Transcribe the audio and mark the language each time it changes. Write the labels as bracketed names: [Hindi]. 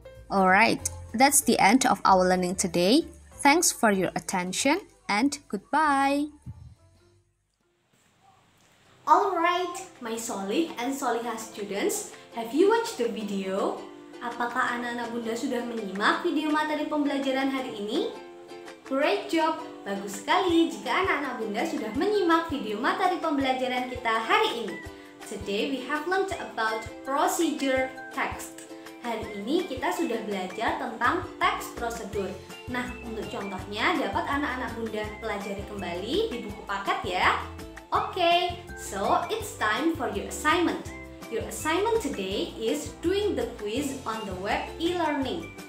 [English] Alright, that's the end of our learning today. Thanks for your attention and goodbye. Alright, my solih and solihah students, have you watched the video? [Indonesian] Apakah anak-anak bunda sudah menyimak video materi pembelajaran hari ini? [English] Great job! [Indonesian] Bagus sekali jika anak-anak bunda sudah menyimak video materi pembelajaran kita hari ini. [English] Today we have learned about procedure text. [Indonesian] Hari ini kita sudah belajar tentang teks prosedur. Nah, untuk contohnya dapat anak-anak bunda pelajari kembali di buku paket ya. [English] Okay, so it's time for your assignment. Your assignment today is doing the quiz on the web e-learning.